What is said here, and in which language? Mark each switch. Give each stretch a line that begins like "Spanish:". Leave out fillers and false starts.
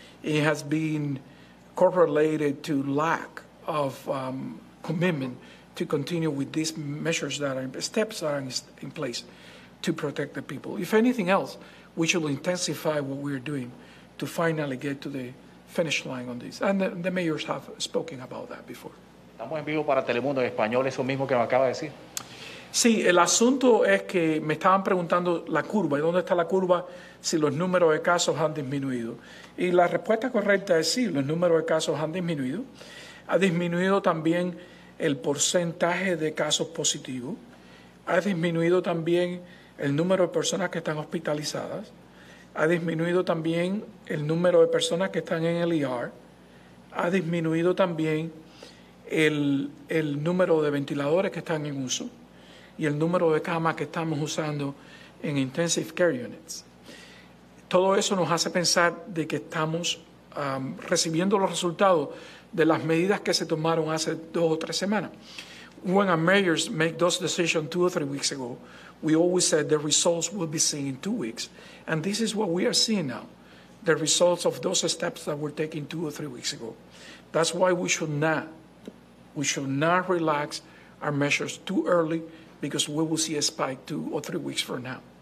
English: It has been correlated to lack of commitment to continue with these measures that are, steps are in place to protect the people. If anything else, we should intensify what we're doing to finally get to the finish line on this. And the mayors have spoken about that before.
Spanish: Estamos en vivo para Telemundo en español, eso mismo que me acaba de decir. Sí, el asunto es que me estaban preguntando la curva, ¿y dónde está la curva si los números de casos han disminuido? Y la respuesta correcta es sí, los números de casos han disminuido. Ha disminuido también el porcentaje de casos positivos. Ha disminuido también el número de personas que están hospitalizadas, ha disminuido también el número de personas que están en el ER, ha disminuido también el número de ventiladores que están en uso y el número de camas que estamos usando en
English: intensive care units.
Spanish: Todo eso nos hace pensar de que estamos recibiendo los resultados de las medidas que se tomaron hace 2 o 3 semanas.
English: When our mayors make those decisions 2 or 3 weeks ago, we always said the results will be seen in 2 weeks. And this is what we are seeing now, the results of those steps that were taken 2 or 3 weeks ago. That's why we should not relax our measures too early, because we will see a spike 2 or 3 weeks from now.